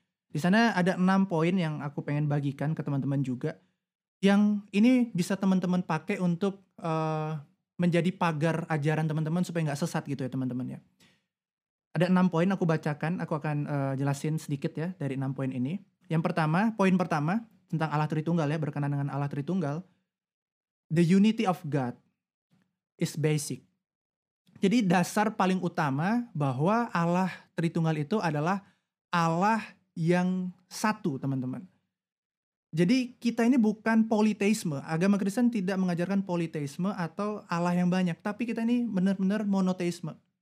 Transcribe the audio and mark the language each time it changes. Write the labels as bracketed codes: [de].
[id] Di sana ada 6 poin yang aku pengen bagikan ke teman-teman juga, yang ini bisa teman-teman pakai untuk menjadi pagar ajaran teman-teman supaya nggak sesat gitu ya teman-teman ya. Ada 6 poin aku bacakan, aku akan jelasin sedikit ya dari 6 poin ini. Yang pertama, poin pertama tentang Allah Tritunggal ya, berkenaan dengan Allah Tritunggal. [en] The unity of God is basic. [id] Jadi dasar paling utama bahwa Allah Tritunggal itu adalah Allah yang satu, teman-teman. Jadi kita ini bukan politeisme. Agama Kristen tidak mengajarkan politeisme atau Allah yang banyak. Tapi kita ini benar-benar monoteisme.